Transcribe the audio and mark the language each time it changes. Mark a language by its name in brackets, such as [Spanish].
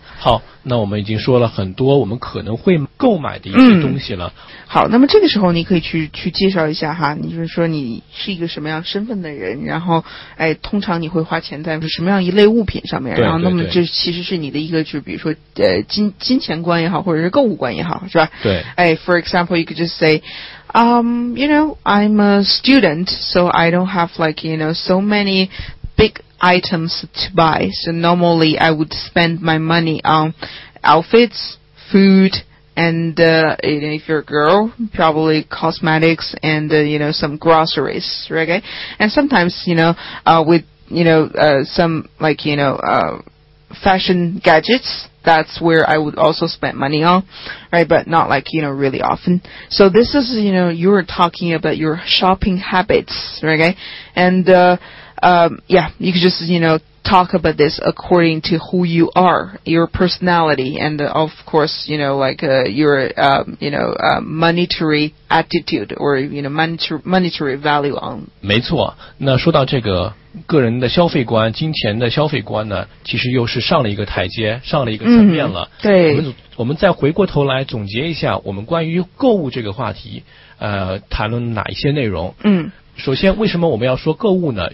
[Chinese] 好，那我们已经说了很多我们可能会购买的一些东西了。嗯、好，那么这个时候你可以去介绍一下哈，你就是说你是一个什么样身份的人，然后哎，通常你会花钱在什么样一类物品上面，对对对然后那么这其实是你的一个就是比如说金钱观也好，或者是购物观也好，是吧？对。 [English] 哎 ，for example, you could just say,you know, I'm a student, so I don't have like you know so many big. Items to buy. So normally I would spend my money on outfits, food, and if you're a girl, probably cosmetics and you know some groceries, right? Okay? And sometimes you know with you know some like you know fashion gadgets. That's where I would also spend money on, right? But not like you know really often. So this is you know you're talking about your shopping habits, right? Okay? And yeah, you could just, you know, talk about this according to who you are, your personality, and of course, you know, like your monetary attitude or you know monetary value on. [Chinese] 没错，那说到这个个人的消费观、金钱的消费观呢，其实又是上了一个台阶，上了一个层面了。嗯、对，我们再回过头来总结一下，我们关于购物这个话题，谈论哪一些内容？嗯，首先，为什么我们要说购物呢？